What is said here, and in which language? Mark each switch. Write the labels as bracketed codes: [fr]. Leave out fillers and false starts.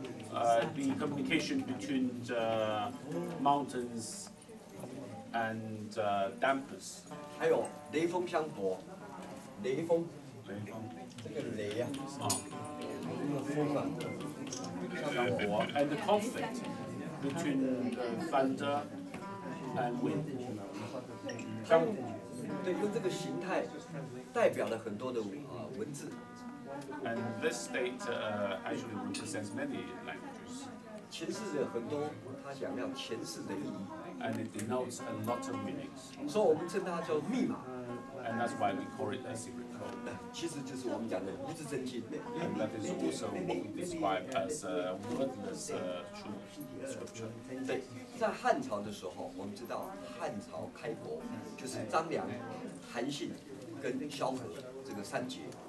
[en] the communication between the mountains and the dampers， [zh] 还有雷风相搏， [en] 雷风，and the conflict between thunder and wind， [zh] 相搏。对，用这个形态代表了很多的文字。 [en] And this state actually represents many languages. [zh] 诠释着很多它想要诠释的意义。 [en] And it denotes a lot of meanings. [zh] 所以我们称它叫密码。 [en] And that's why we call it a secret code. [zh] 其实就是我们讲的一字真经。 [en] And that is also what we describe as a wordless true scripture. [zh] 对，在汉朝的时候，我们知道汉朝开国就是张良、韩信跟萧何这个三杰。